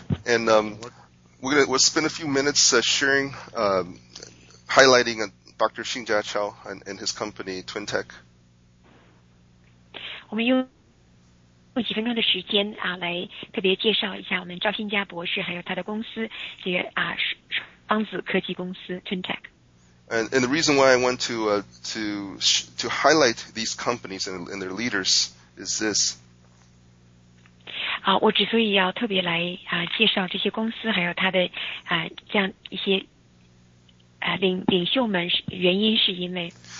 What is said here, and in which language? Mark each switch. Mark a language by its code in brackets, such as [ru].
[en] And we'll spend a few minutes sharing, highlighting Dr. Xin Jia Chao and his company, TwinTech. [zh] 我们用几分钟的时间来特别介绍一下我们赵新佳博士还有他的公司这个双子科技公司 TwinTech. [en] And the reason why I want to highlight these companies and their leaders is this. [zh] 我之所以要特别来介绍这些公司还有它的这样一些领袖们原因是因为